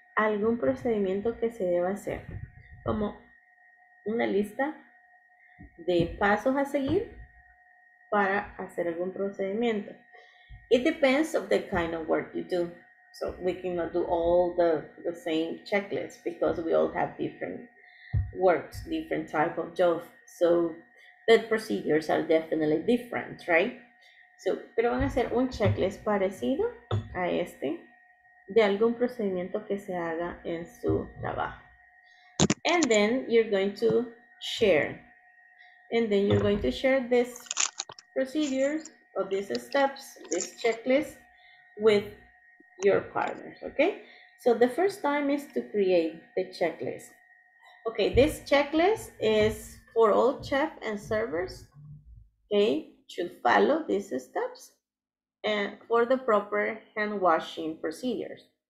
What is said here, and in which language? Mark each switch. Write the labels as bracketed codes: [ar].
[es] algún procedimiento que se deba hacer, como una lista de pasos a seguir para hacer algún procedimiento. [en] It depends of the kind of work you do. So we cannot do all the same checklist because we all have different works, different type of job. So the procedures are definitely different, right? [es] So, pero van a hacer un checklist parecido a este de algún procedimiento que se haga en su trabajo. [en] And then you're going to share. And then you're going to share this procedures of these steps, this checklist with your partners, okay? So the first time is to create the checklist. Okay, this checklist is for all chef and servers, okay, to follow these steps and for the proper hand washing procedures.